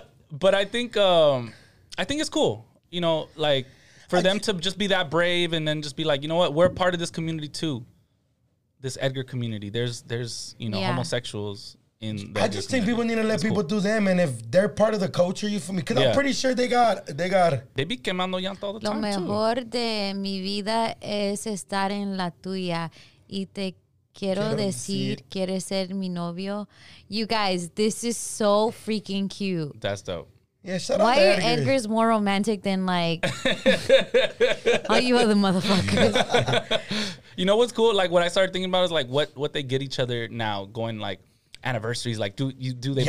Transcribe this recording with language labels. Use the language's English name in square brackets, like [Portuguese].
[English] But I think it's cool, you know, like for them to just be that brave and then just be like, you know what, we're part of this community too, this Edgar community. There's you know yeah. homosexuals. I just think people need to let people do them, and if they're part of the culture, you feel me? Because yeah. I'm pretty sure they got. They be [Spanish] quemando llanta [English] all the time. [Spanish] Lo mejor de mi vida es estar en la tuya, y te quiero decir, quieres ser mi novio. [English] You guys, this is so freaking cute. That's dope. Yeah, shut up. Why are Edgar's more romantic than like all you other motherfuckers? You know what's cool? Like what I started thinking about is like what they get each other now going like. Anniversaries, like do they